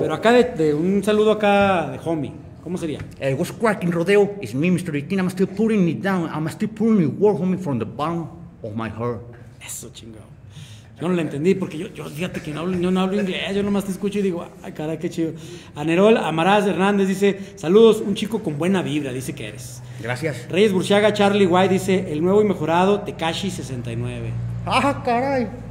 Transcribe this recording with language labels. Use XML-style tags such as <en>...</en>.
<es>Pero acá de un saludo acá de homie. ¿Cómo sería?</es> <en>What's cracking, Rodeo? It's me, Mr. 18. I'm still putting it down. I'm still putting it work, homie, from the bottom of my heart.</en> <es>Eso, chingado. Yo no lo entendí porque yo fíjate que no hablo inglés. Yo nomás te escucho y digo, ay, caray, qué chido. Anerol Amaraz Hernández dice: saludos, un chico con buena vibra, dice que eres. Gracias. Reyes Burciaga, Charlie White dice: el nuevo y mejorado Tekashi 69. ¡Ah, caray!</es>